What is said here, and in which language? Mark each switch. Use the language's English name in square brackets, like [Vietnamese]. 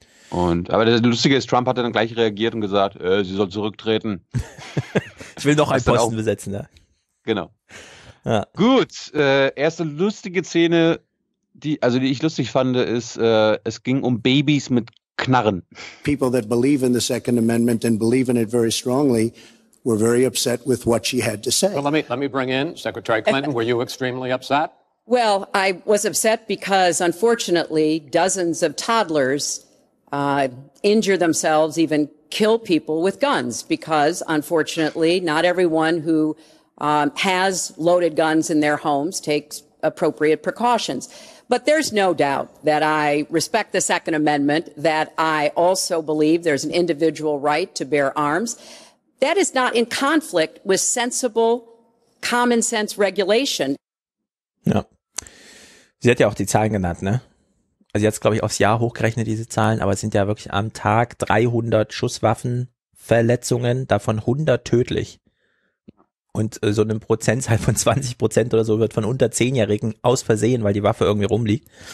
[German] Aber das Lustige ist, Trump hat dann gleich reagiert und gesagt, sie soll zurücktreten. Ich will noch einen Posten besetzen, ja. Genau. Ja. Gut, erste lustige Szene, die ich lustig fand, ist, es ging um Babys mit Knarren. [English] People that believe in the Second Amendment and believe in it very strongly were very upset with what she had to say. Well, let me bring in Secretary Clinton. Were you extremely upset? Well, I was upset because, unfortunately, dozens of toddlers injure themselves, even kill people with guns, because, unfortunately, not everyone who has loaded guns in their homes, takes appropriate precautions. But there's no doubt that I respect the Second Amendment, that I also believe there's an individual right to bear arms. That is not in conflict with sensible, common sense regulation. [German] Ja. Sie hat ja auch die Zahlen genannt, ne? Also jetzt, glaube ich, aufs Jahr hochgerechnet, diese Zahlen, aber es sind ja wirklich am Tag 300 Schusswaffenverletzungen, davon 100 tödlich. Und so eine Prozentzahl von 20% oder so wird von unter 10-Jährigen aus Versehen, weil die Waffe irgendwie rumliegt.